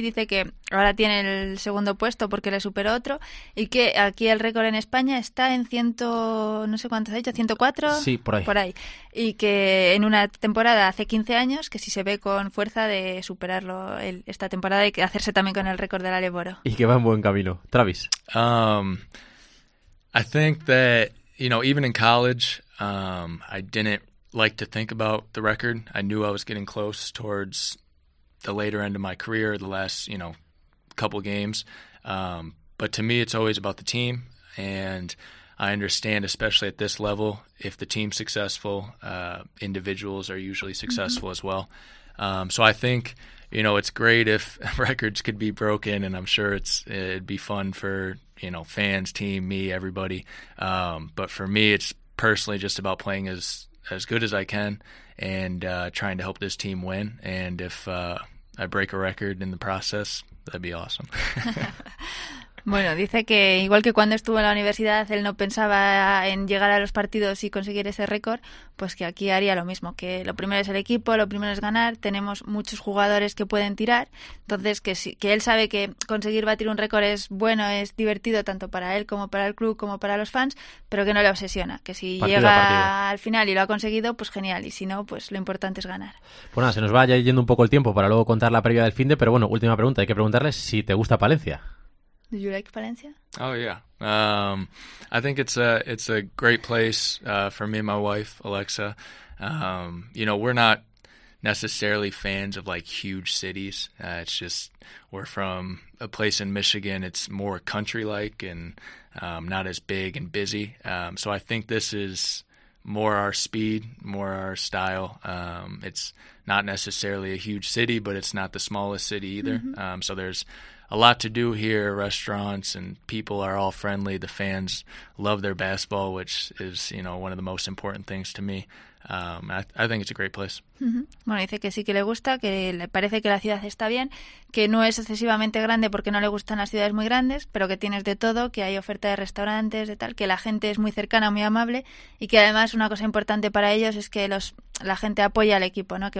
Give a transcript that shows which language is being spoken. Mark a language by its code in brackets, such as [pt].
[es] Dice que ahora tiene el segundo puesto porque le superó otro y que aquí el récord en España está en 100, no sé cuánto ha dicho, 104. Sí, por ahí. Por ahí. Y que en una temporada hace 15 años, que si se ve con fuerza de superarlo esta temporada y que hacerse también con el récord de la Leboro. Y que va en buen camino. Travis. [en] I think that, you know, even in college, I didn't like to think about the record. I knew I was getting close towards the later end of my career, the last, you know, couple games. But to me, it's always about the team. And I understand, especially at this level, if the team's successful, individuals are usually successful as well. So I think, you know, it's great if records could be broken, and I'm sure it'd be fun for, you know, fans, team, me, everybody. But for me, it's personally just about playing as good as I can and trying to help this team win. And if I break a record in the process, that'd be awesome. [es] Bueno, dice que igual que cuando estuvo en la universidad él no pensaba en llegar a los partidos y conseguir ese récord, pues que aquí haría lo mismo, que lo primero es el equipo, lo primero es ganar, tenemos muchos jugadores que pueden tirar, entonces que él sabe que conseguir batir un récord es bueno, es divertido tanto para él como para el club, como para los fans, pero que no le obsesiona, que si llega al final y lo ha conseguido, pues genial, y si no, pues lo importante es ganar. Bueno, se nos va ya yendo un poco el tiempo para luego contar la previa del finde, pero bueno, última pregunta, hay que preguntarle si te gusta Palencia. [en] Do you like Palencia? Oh yeah. I think it's a great place for me and my wife Alexa. You know, we're not necessarily fans of like huge cities. It's just we're from a place in Michigan. It's more country-like and not as big and busy. So I think this is more our speed, more our style. It's not necessarily a huge city, but it's not the smallest city either. Mm-hmm. So there's a lot to do here, restaurants and people are all friendly. The fans love their basketball, which is, you know, one of the most important things to me. I think it's a great place. Mm-hmm. [es] Bueno, dice que sí que le gusta, que le parece que la ciudad está bien, que no es excesivamente grande porque no le gustan las ciudades muy grandes, pero que tienes de todo, que hay oferta de restaurantes, de tal, que la gente es muy cercana, muy amable, y que además una cosa importante para ellos es que la gente apoya al equipo, ¿no?